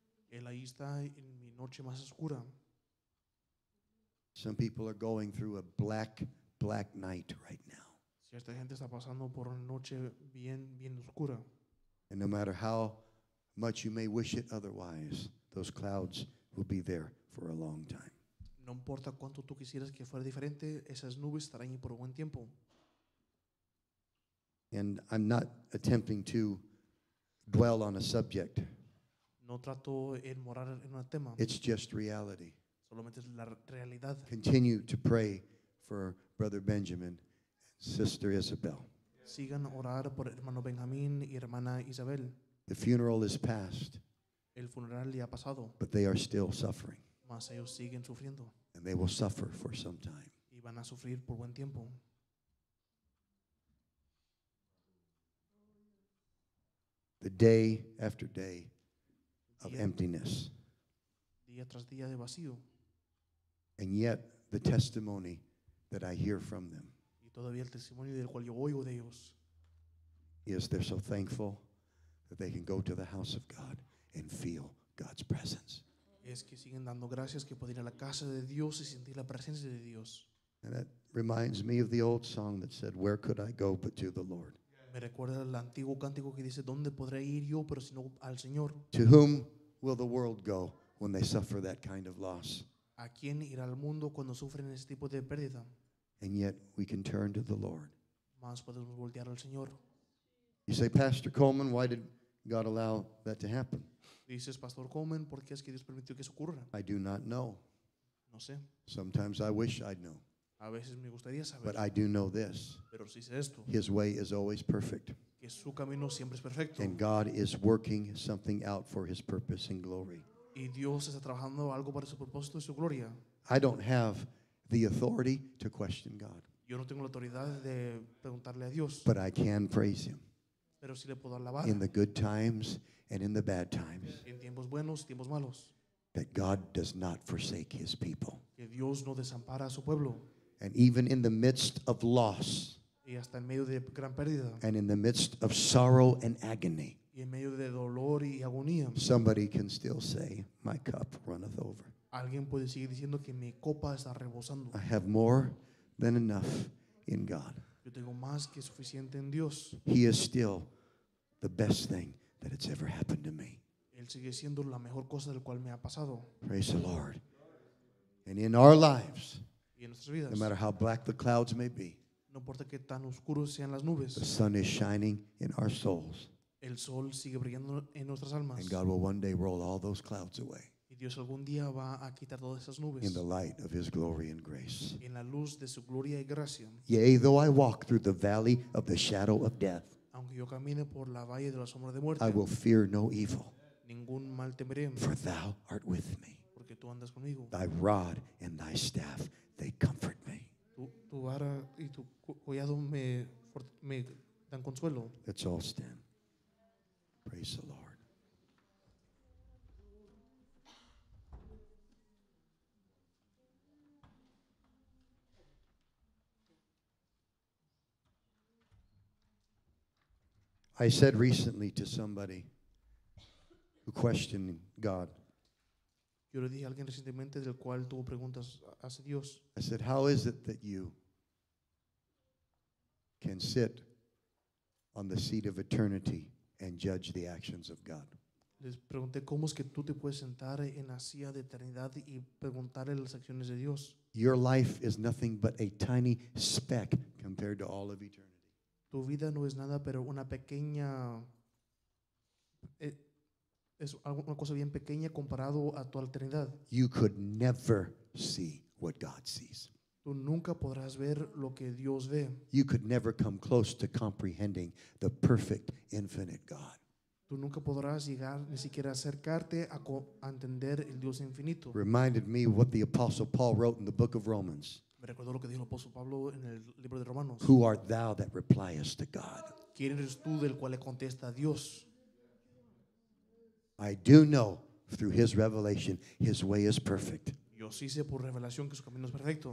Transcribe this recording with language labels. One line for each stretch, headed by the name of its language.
Spanish: Él ahí está en mi noche más oscura.
English: Some people are going through a black, black night right now.
Spanish: Cierta gente está pasando por una noche bien, bien oscura.
English: And no matter how much you may wish it otherwise, those clouds will be there for a long time.
Spanish: No importa cuánto tú quisieras que fuera diferente, esas nubes estarán ahí por un buen tiempo.
English: And I'm not attempting to dwell on a subject.
Spanish: No trato de morar en un tema.
English: It's just reality.
Spanish: Solamente es la realidad.
English: Continue to pray for Brother Benjamin. Sister Isabel.
Spanish: Sigan orar por hermano Benjamín y hermana Isabel.
English: The funeral is past.
Spanish: El funeral ya ha pasado.
English: But they are still suffering.
Spanish: Mas ellos siguen sufriendo.
English: And they will suffer for some time.
Spanish: Y van a sufrir por buen tiempo.
English: The day after day of emptiness.
Spanish: Día tras día de vacío.
English: And yet the testimony that I hear from them.
Spanish: Todavía el testimonio del cual yo oigo de ellos.
English: Yes, they're so thankful that they can go to the house of God and feel God's presence.
Spanish: Es que siguen dando gracias que pueden ir a la casa de Dios y sentir la presencia de Dios.
English: And that reminds me of the old song that said, "Where could I go but to the Lord?"
Spanish: Me recuerda el antiguo cántico que dice, "¿Dónde podré ir yo pero sino al Señor?"
English: To whom will the world go when they suffer that kind of loss?
Spanish: ¿A quién irá el mundo cuando sufren ese tipo de pérdida?
English: And yet we can turn to the Lord.
Spanish: Más podemos voltear al Señor.
English: You say, Pastor Coleman, why did God allow that to happen?
Spanish: Dices, Pastor Coleman, ¿por qué es que Dios permitió que eso ocurra?
English: I do not know.
Spanish: No sé.
English: Sometimes I wish I'd know.
Spanish: A veces me gustaría saber.
English: But I do know this.
Spanish: Pero sí sé esto.
English: His way is always perfect.
Spanish: Que su camino siempre es perfecto.
English: And God is working something out for his purpose and glory.
Spanish: Y Dios está trabajando algo para su propósito y su gloria.
English: I don't have the authority to question God.
Spanish: Yo no tengo la autoridad de preguntarle a Dios.
English: But I can praise him.
Spanish: Pero sí le puedo alabar.
English: In the good times and in the bad times.
Spanish: En tiempos buenos, tiempos malos.
English: That God does not forsake his people.
Spanish: Que Dios no desampara a su pueblo.
English: And even in the midst of loss.
Spanish: Y hasta en medio de gran pérdida.
English: And in the midst of sorrow and agony.
Spanish: Y en medio de dolor y agonía.
English: Somebody can still say, "My cup runneth over."
Spanish: Alguien puede seguir diciendo que mi copa está rebosando.
English: I have more than enough in God.
Spanish: Yo tengo más que suficiente en Dios.
English: He is still the best thing that has ever happened to me.
Spanish: Él sigue siendo la mejor cosa del cual me ha pasado.
English: Praise the Lord. And in our lives,
Spanish: y en nuestras vidas,
English: no matter how black the clouds may be,
Spanish: no importa qué tan oscuros sean las nubes,
English: the sun is shining in our souls.
Spanish: El sol sigue brillando en nuestras almas.
English: And God will one day roll all those clouds away.
Spanish: Dios algún día va a quitar todas esas nubes.
English: In the light of his glory and grace.
Spanish: En la luz de su gloria y gracia.
English: Yea, though I walk through the valley of the shadow of death,
Spanish: aunque yo camine por la valle de la sombra de muerte,
English: I will fear no evil.
Spanish: Ningún mal temeré.
English: For thou art with me.
Spanish: Porque tú andas conmigo.
English: Thy rod and thy staff, they comfort me.
Spanish: Tu vara y tu collado me dan consuelo.
English: Let's all stand. Praise the Lord. I said recently to somebody who questioned God,
Spanish: yo le dije a alguien recientemente del cual tuvo preguntas hacia Dios,
English: I said, "How is it that you can sit on the seat of eternity and judge the actions of God?"
Spanish: Les pregunté, ¿cómo es que tú te puedes sentar en la silla de eternidad y preguntarle las acciones de Dios?
English: Your life is nothing but a tiny speck compared to all of eternity.
Spanish: Tu vida no es nada, pero una pequeña es una cosa bien pequeña comparado a tu eternidad.
English: You could never see what God sees.
Spanish: Tú nunca podrás ver lo que Dios ve.
English: You could never come close to comprehending the perfect, infinite God.
Spanish: Tú nunca podrás llegar ni siquiera acercarte a entender el Dios infinito.
English: Reminded me what the Apostle Paul wrote in the book of Romans.
Spanish: Me recuerdo lo que dijo el apóstol Pablo en el libro de Romanos.
English: Who art thou that replyest to God?
Spanish: ¿Quién eres tú del cual le contesta a Dios?
English: I do know through his revelation his way is perfect.
Spanish: Yo sí sé por revelación que su camino es perfecto.